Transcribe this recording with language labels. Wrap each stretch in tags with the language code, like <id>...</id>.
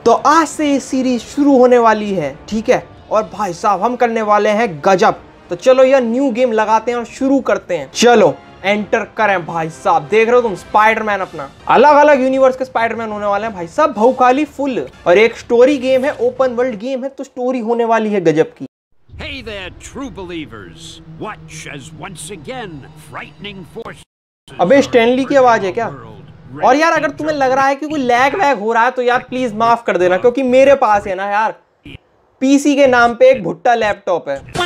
<hi>तो आज से ये सीरीज शुरू होने वाली है, ठीक है। और भाई साहब हम करने वाले हैं गजब। तो चलो यार न्यू गेम लगाते हैं और शुरू करते हैं। चलो एंटर करें भाई साहब। देख रहे हो तुम स्पाइडरमैन अपना, अलग अलग यूनिवर्स के स्पाइडरमैन होने वाले हैं भाई साहब, भौकाली फुल। और एक स्टोरी गेम है, ओपन वर्ल्ड गेम है, तो स्टोरी होने वाली है गजब की।</hi> <en>Hey there, true believers. Watch as once again frightening forces.</en> <hi>अबे स्टैनली की आवाज है क्या? और यार अगर तुम्हें लग रहा है कि कोई लैग वैग हो रहा है तो यार प्लीज माफ कर देना, क्योंकि मेरे पास है ना यार पीसी के नाम पे एक भुट्टा लैपटॉप है।</hi>